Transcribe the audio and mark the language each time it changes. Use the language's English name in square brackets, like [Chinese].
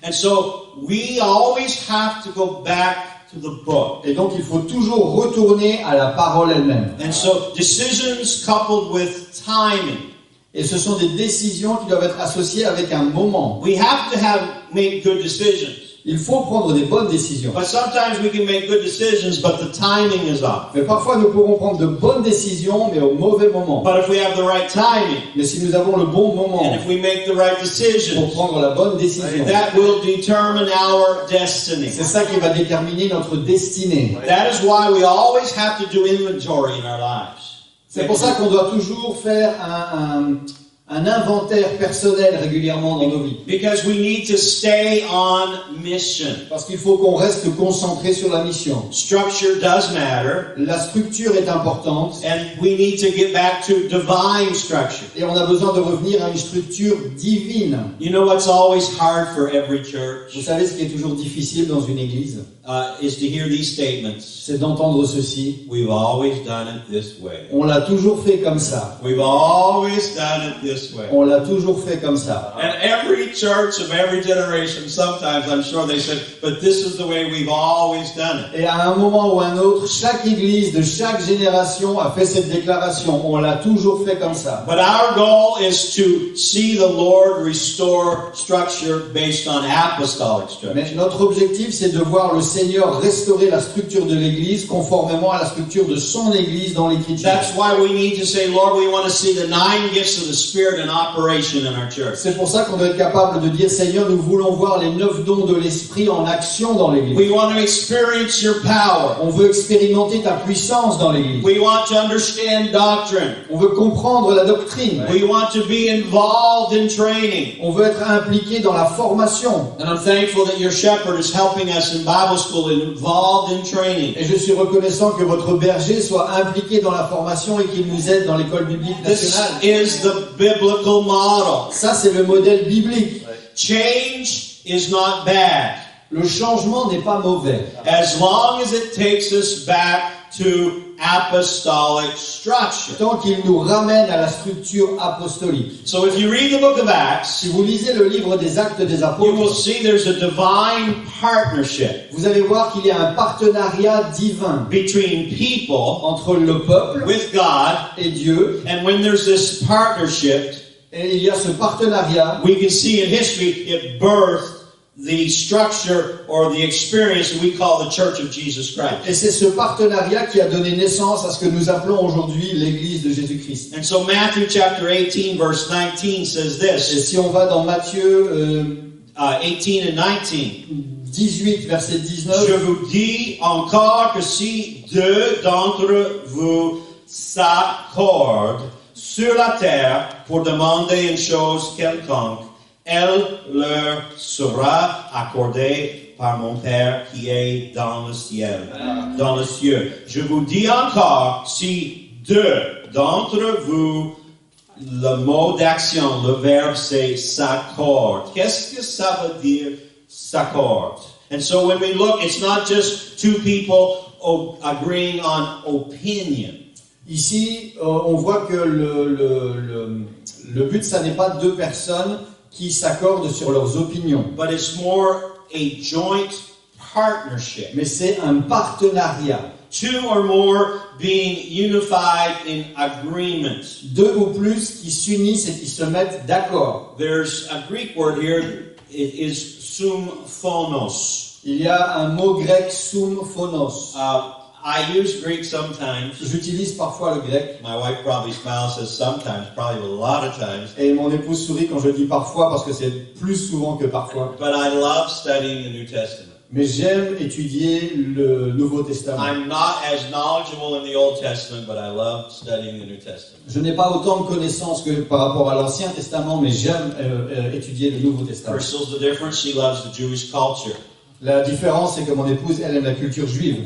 [English] And so we always have to go back to the book. [French] Et donc il faut toujours retourner à la parole elle-même. [English] And so decisions coupled with timing. [French] Et ce sont des décisions qui doivent être associées avec un moment. [English] We have to have make good decisions. [French] Il faut prendre des bonnes décisions. [English] But sometimes we can make good decisions, but the timing is off. [French] Mais parfois nous pourrons prendre de bonnes décisions, mais au mauvais moment. [English] But if we have the right timing, [French] mais si nous avons le bon moment, [English] and if we make the right decisions, [French] pour prendre la bonne décision, [English] that will determine our destiny. [French] C'est ça qui va déterminer notre destinée. [English] That is why we always have to do inventory in our lives. [French] C'est pour ça qu'on doit toujours faire un inventaire personnel régulièrement dans nos vies. [English] Because we need to stay on mission. [French] Parce qu'il faut qu'on reste concentré sur la mission. [English] Structure does matter. [French] La structure est importante. [English] And we need to get back to divine structure. [French] Et on a besoin de revenir à une structure divine. [English] You know what's always hard for every church? [French] Vous savez ce qui est toujours difficile dans une église? [English] Is to hear these statements. [French] C'est d'entendre ceci. [English] We've always done it this way. [French] On l'a toujours fait comme ça. [English] We've always done it this way. [French] On l'a toujours fait comme ça. [English] And every church of every generation, sometimes I'm sure they said, but this is the way we've always done it. [French] Et à un moment ou un autre, chaque église de chaque génération a fait cette déclaration. On l'a toujours fait comme ça. [English] But our goal is to see the Lord restore structure based on apostolic structure. [French] Mais notre objectif, c'est de voir le Seigneur restaurer la structure de l'Église conformément à la structure de son Église dans l'Écriture. C'est pour ça qu'on doit être capable de dire, Seigneur, nous voulons voir les neuf dons de l'Esprit en action dans l'Église. [English] We want to experience your power. [French] On veut expérimenter ta puissance dans l'Église. [English] We want to understand doctrine. [French] On veut comprendre la doctrine. [English] We want to be involved in training. [French] On veut être impliqué dans la formation. [English] And I'm thankful that your shepherd is helping us in Bible school and involved in training. [French] Et je suis reconnaissant que votre berger soit impliqué dans la formation et qu'il nous aide dans l'école biblique nationale. [English] This is the biblical model. [French] Ça, c'est le modèle biblique. [English] Change is not bad. [French] Le changement n'est pas mauvais. [English] As long as it takes us back to apostolic structure. [French] Tant qu'il nous ramène à la structure apostolique. [English] So if you read the book of Acts, [French] si vous lisez le livre des Actes des Apôtres, [English] you will see there's a divine partnership. [French] Vous allez voir qu'il y a un partenariat divin [English] between people, [French] entre le peuple, [English] with God, [French] et Dieu. [English] And when there's this partnership, [French] et il y a ce partenariat, [English] we can see in history it birthed the structure or the experience we call the Church of Jesus Christ. [French] Et c'est ce partenariat qui a donné naissance à ce que nous appelons aujourd'hui l'Église de Jésus-Christ. [English] And so Matthew chapter 18 verse 19 says this. [French] Et si on va dans Matthieu [English] 18 and 19. [French] 18 verset 19. Je vous dis encore que si deux d'entre vous s'accordent sur la terre pour demander une chose quelconque, elle leur sera accordée par mon Père qui est dans le ciel. Dans le ciel. Je vous dis encore, si deux d'entre vous, le mot d'action, le verbe c'est s'accorde. Qu'est-ce que ça veut dire s'accorde? [English] And so when we look, it's not just two people agreeing on opinion. [French] Ici, on voit que le but, ça n'est pas deux personnes qui s'accordent sur leurs opinions. [English] But it's more a joint partnership. [French] Mais c'est un partenariat. [English] Two or more being unified in agreement. [French] Deux ou plus qui s'unissent et qui se mettent d'accord. [English] There's a Greek word here, it is symphonos. [French] Il y a un mot grec, sum phonos. [English] I use Greek sometimes. [French] J'utilise parfois le grec. [English] My wife probably smiles, says sometimes, probably a lot of times. [French] Et mon épouse sourit quand je dis parfois parce que c'est plus souvent que parfois. [English] But I love studying the New Testament. [French] Mais j'aime étudier le Nouveau Testament. [English] I'm not as knowledgeable in the Old Testament, but I love studying the New Testament. [French] Je n'ai pas autant de connaissances que par rapport à l'Ancien Testament, mais j'aime étudier le Nouveau Testament. [English] Crystal's the difference. She loves the Jewish culture. [French] La différence, c'est que mon épouse, elle aime la culture juive.